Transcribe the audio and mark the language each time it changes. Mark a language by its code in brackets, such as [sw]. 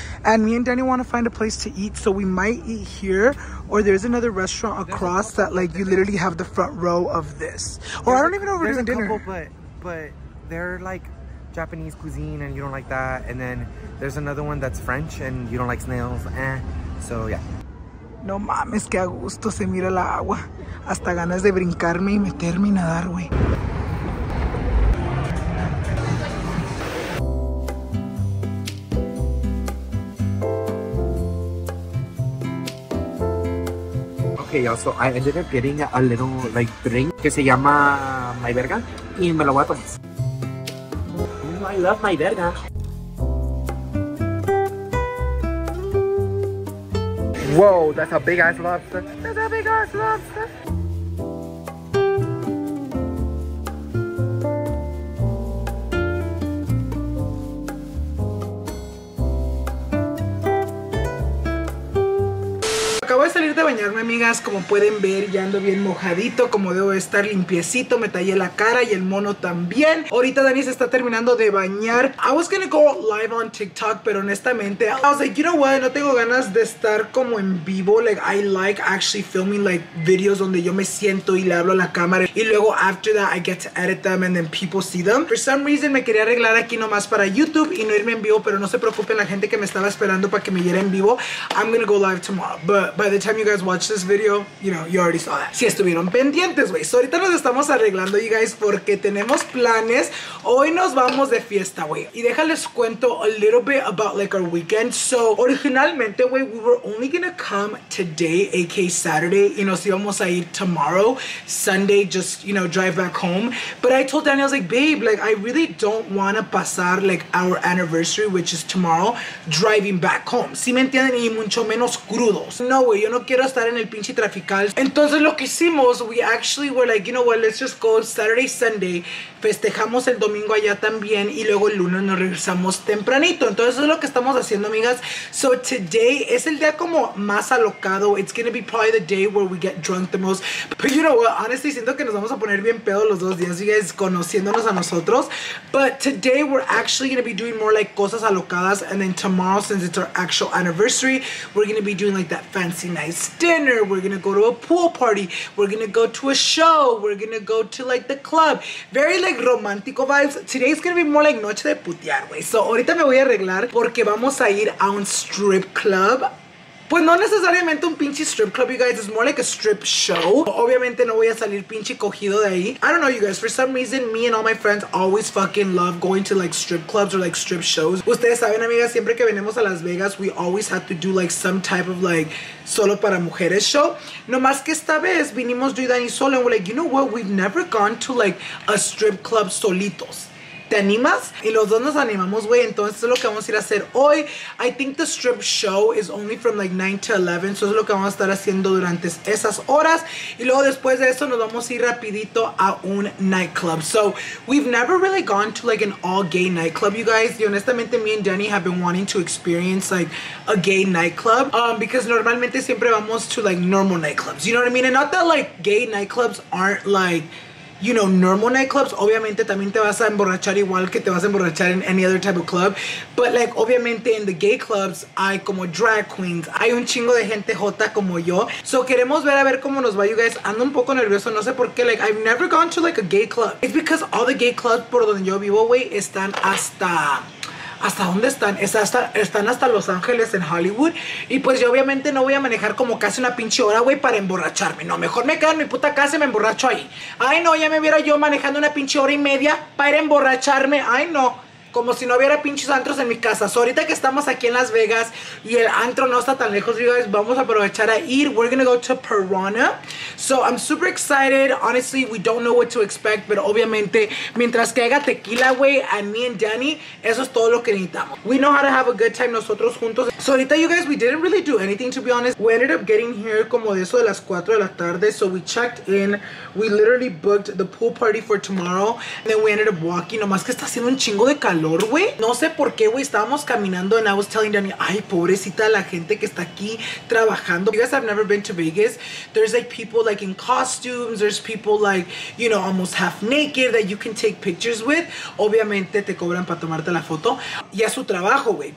[en] And me and Danny want to find a place to eat, so we might eat here. Or there's another restaurant across that like you literally have the front row of this. Or I don't even know if we're doing dinner. But they're like Japanese cuisine and you don't like that, and then there's another one that's French and you don't like snails, so yeah. [es] No mames, que a gusto se mira la agua. Hasta ganas de brincarme y meterme y nadar, güey. [en] Okay, y'all, so I ended up getting a little like drink [es] que se llama My Verga y me lo voy a tomar. [en] I love my verga. Whoa, that's a big ass lobster. That's a big ass lobster. [es] Acabo de salir de bañarme, amigas. Como pueden ver, ya ando bien mojadito. Como debo estar limpiecito, me tallé la cara y el mono también. Ahorita Dani se está terminando de bañar. [en] I was gonna go live on TikTok, [es] pero honestamente, [en] I was like, you know what? [es] No tengo ganas de estar como en vivo. [en] Like, I like actually filming like videos [es] donde yo me siento y le hablo a la cámara. Y luego, [en] after that, I get to edit them and then people see them. For some reason, [es] me quería arreglar aquí nomás para YouTube y no irme en vivo, pero no se preocupen, la gente que me estaba esperando para que me viera en vivo, [en] I'm gonna go live tomorrow. But by the time you guys watch this video, you know, you already saw that. [es] Si estuvieron pendientes, güey. So ahorita nos estamos arreglando, [en] you guys, [es] porque tenemos planes. Hoy nos vamos de fiesta, güey. Y déjales cuento [en] a little bit about, like, our weekend. So, originalmente, güey, we were only gonna come today, aka Saturday, [es] y nos íbamos a ir [en] tomorrow, Sunday, just, you know, drive back home. But I told Daniel, I was like, babe, like, I really don't wanna pasar, like, our anniversary, which is tomorrow, driving back home. [es] ¿Sí me entienden? Y mucho menos crudos. No, güey, yo no quiero estar en el pinche trafical. Entonces, lo que hicimos, [en] we actually were like, you know what, let's just go Saturday, Sunday. [es] Festejamos el domingo allá también y luego el lunes nos regresamos tempranito. Entonces, eso es lo que estamos haciendo, amigas. So, today es el día como más alocado. [en] It's gonna be probably the day where we get drunk the most. But you know what, honestly, [es] siento que nos vamos a poner bien pedo los dos días, [en] you guys, [es] conociéndonos a nosotros. [en] But today we're actually gonna be doing more like [es] cosas alocadas. [en] And then tomorrow, since it's our actual anniversary, we're gonna be doing like that fancy nice dinner. We're gonna go to a pool party. We're gonna go to a show. We're gonna go to like the club. Very like romantic vibes. Today's gonna be more like [es] noche de putear, [en] güey. [es] So ahorita me voy a arreglar porque vamos a ir a un strip club. Pues no necesariamente un pinche strip club, [en] you guys. It's more like a strip show. [es] Obviamente no voy a salir pinche cogido de ahí. [en] I don't know, you guys. For some reason, me and all my friends always fucking love going to, like, strip clubs or, like, strip shows. [es] Ustedes saben, amigas, siempre que venimos a Las Vegas, [en] we always have to do, like, some type of, like, [es] solo para mujeres [en] show. [es] No más que esta vez vinimos yo y Dani solo. [en] And we're like, you know what? We've never gone to, like, a strip club solitos. [es] ¿Te animas? Y los dos nos animamos, güey. Entonces, eso es lo que vamos a ir a hacer hoy. [en] I think the strip show is only from like 9 to 11. [es] Eso es lo que vamos a estar haciendo durante esas horas. Y luego, después de eso, nos vamos a ir rapidito a un nightclub. [en] So, we've never really gone to like an all-gay nightclub, you guys. [es] Y honestamente, [en] me and Danny have been wanting to experience like a gay nightclub. Because [es] normalmente siempre vamos [en] to like normal nightclubs. You know what I mean? And not that like gay nightclubs aren't like, you know, normal nightclubs. [es] Obviamente también te vas a emborrachar igual que te vas a emborrachar [en] in any other type of club. [es] But like, obviamente [en] in the gay clubs [es] hay como drag queens, hay un chingo de gente jota como yo. So queremos ver a ver cómo nos va, [en] you guys. [es] Ando un poco nervioso, no sé por qué. [en] Like, I've never gone to like a gay club. It's because all the gay clubs [es] por donde yo vivo, wey, están hasta... ¿Hasta dónde están? Están hasta Los Ángeles en Hollywood. Y pues yo obviamente no voy a manejar como casi una pinche hora, güey, para emborracharme. No, mejor me quedo en mi puta casa y me emborracho ahí. Ay, no, ya me viera yo manejando una pinche hora y media para ir a emborracharme. Ay, no. Como si no hubiera pinches antros en mi casa. So, ahorita que estamos aquí en Las Vegas y el antro no está tan lejos, [en] you guys, [es] vamos a aprovechar a ir. [en] We're gonna go to Piranha. So, I'm super excited. Honestly, we don't know what to expect, [es] pero obviamente, mientras que haga tequila, güey, a mí y Danny, eso es todo lo que necesitamos. [en] We know how to have a good time [es] nosotros juntos. [en] So, ahorita, you guys, we didn't really do anything, to be honest. We ended up getting here [es] como de eso de las 4 de la tarde. [en] So, we checked in. We literally booked the pool party for tomorrow. And then we ended up walking. [es] Nomás que está haciendo un chingo de calor. Wey. No sé por qué, güey, estábamos caminando [en] and I was telling Danny, [es] ay, pobrecita la gente que está aquí trabajando. [en] You guys have never been to Vegas. There's like people like in costumes, there's people like, you know, almost half naked that you can take pictures with. [es] Obviamente te cobran para tomarte la foto y es su trabajo, güey.